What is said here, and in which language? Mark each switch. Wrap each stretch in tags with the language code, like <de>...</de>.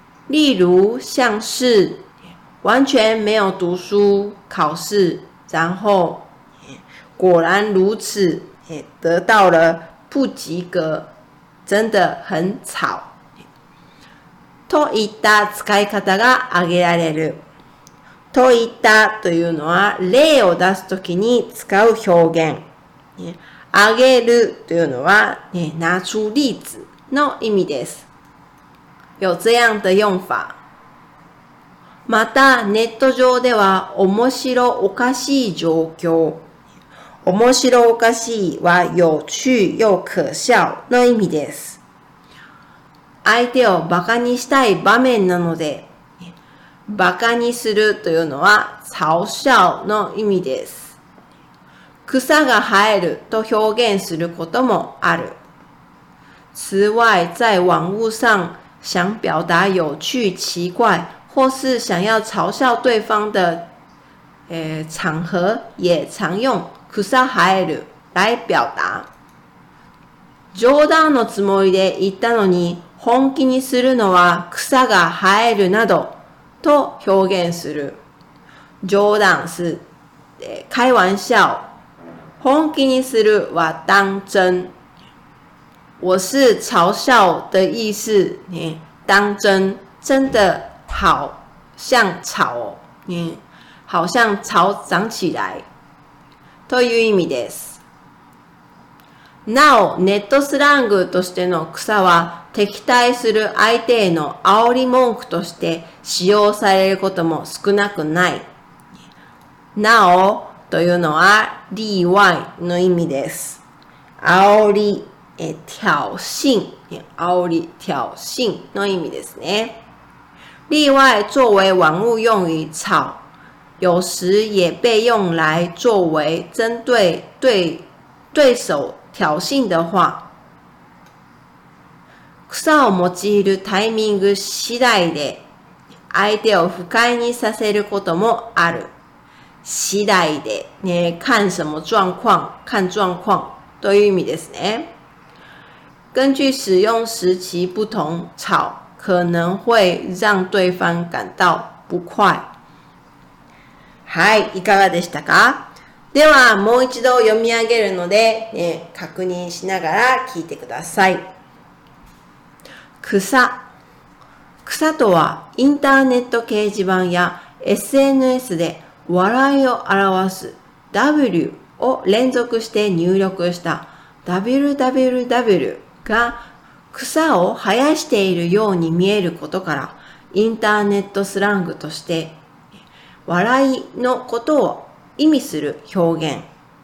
<zh>例如、像是、完全没有读书、考试、然后、果然如此、得到了不及格、真的很草。</zh> <ja>といった使い方が挙げられる。といったというのは、例を出すときに使う表現。挙げるというのは、</ja> <zh>拿出例子。</zh> <ja>の意味です。</ja> <zh>有这样的用法。</zh> <ja>また、ネット上では、面白おかしい状況。面白おかしいは、</ja> <zh>有趣又可笑</zh> <ja>の意味です。相手をバカにしたい場面なので、バカにするというのは、嘲笑の意味です。草が生えると表現することもある。</ja> <zh>此外，在网络上想表达有趣、奇怪，或是想要嘲笑对方的场合，也常用くさ生える来表达。</zh> <ja>冗談のつもりで言ったのに本気にするのは草が生えるなどと表現する。</ja> <zh>冗談是开玩笑，本気にするは当真。我是嘲笑的意思，你当真，真的好像草，你好像草长起来</zh> <ja>という意味です。なお、ネットスラングとしての草は敵対する相手への煽り文句として使用されることも少なくない。なおというのは例外の意味です。煽り、挑衅、煽り、挑衅の意味ですね。</ja> <zh>例外作为玩物用于草、有时也被用来作为针对 对手挑衅的话。</zh> <ja>草を用いるタイミング次第で相手を不快にさせることもある。次第で、ね、</ja> <zh>看什么状况、看状况</zh> <ja>という意味ですね。</ja> <zh>根据使用时期不同、草可能会让对方感到不快。</zh> <ja>はい、いかがでしたか？ではもう一度読み上げるので、ね、確認しながら聞いてください。草。草とはインターネット掲示板や SNS で笑いを表す W を連続して入力した www が草を生やしているように見えることからインターネットスラングとして笑いのことを意味する表現。</ja>